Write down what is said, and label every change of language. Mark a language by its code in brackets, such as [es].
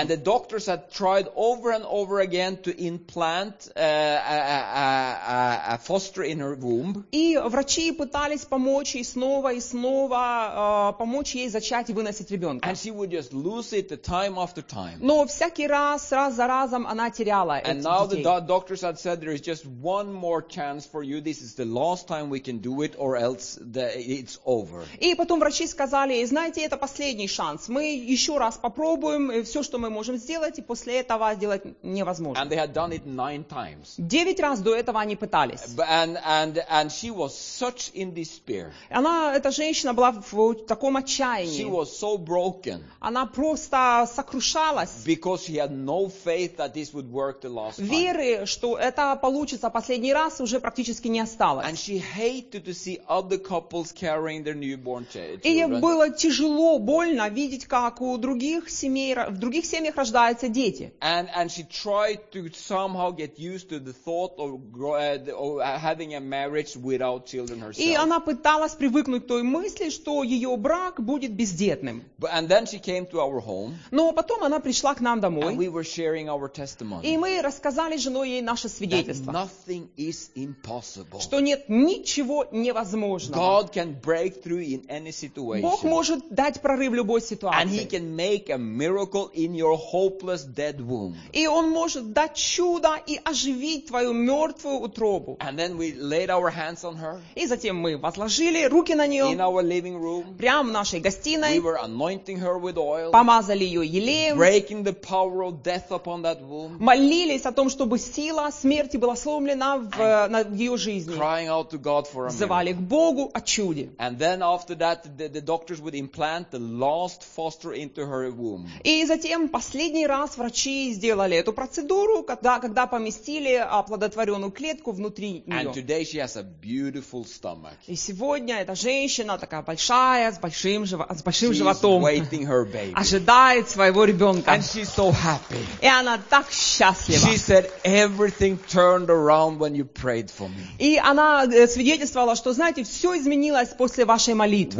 [en] And the doctors had tried over and over again to implant. A foster in her womb. [ru] И врачи пытались помочь ей снова и снова помочь ей зачать и выносить ребенка. [en] And she would just lose it time after time. [ru] Но всякий раз, раз за разом, она теряла этих детей. [en] And now the doctors had said there is just one more chance for you. This is the last time we can do it, or else it's over. [ru] И потом врачи сказали: знаете, это последний шанс. Мы еще раз попробуем все, что мы можем сделать, и после этого сделать невозможно. [en] And they had done it 9 times. [ru] 9 раз до этого они пытались. [en] And she was such in despair. [ru] Она, эта женщина была в таком отчаянии. [en] She was so broken. [ru] Она просто сокрушалась. [en] Because she had no faith that this would work the last time. [ru] Веры, что это получится последний раз, уже практически не осталось. [en] And she hated to see other couples carrying their newborn children. [ru] И ей было тяжело, больно видеть, как у других семей, в других семьях рождаются дети. [en] And she tried to somehow get used to the thought of having a marriage without children herself. [ru] И она пыталась привыкнуть к той мысли, что ее брак будет бездетным. [en] And then she came to our home. [ru] Но потом она пришла к нам домой. [en] And we were sharing our testimony. [ru] И мы рассказали женой ей наше свидетельство. [en] That nothing is impossible. [ru] Что нет ничего невозможного. [en] God can break through in any situation. [ru] Бог может дать прорыв в любой ситуации. [en] And He can make a miracle in your hopeless dead womb. [ru] И Он может дать чудо и оживить твою мертвую утробу. [en] And then we laid our hands on her. [ru] И затем мы возложили руки на нее. [en] In our living room. [ru] Прямо в нашей гостиной. [en] We were anointing her with oil. [ru] Помазали ее елеем. [en] Breaking the power of death upon that womb. [ru] Молились о том, чтобы сила смерти была сломлена в ее жизни. [en] Crying out to God for a [ru] Звали к Богу о чуде. [en] And then after that, the doctors would implant the last foster into her womb. [ru] И затем последний раз врачи сделали эту процедуру, когда поместили оплодотворенную клетку внутри нее. [en] And today she has a beautiful stomach. [ru] И сегодня эта женщина такая большая, с большим животом, [en] waiting her baby. [ru] Ожидает своего ребенка. [en] And she's so happy. [ru] И она так счастлива. [en] She said, "Everything turned around when you prayed for me." [ru] И она свидетельствовала, что, знаете, все изменилось после вашей молитвы.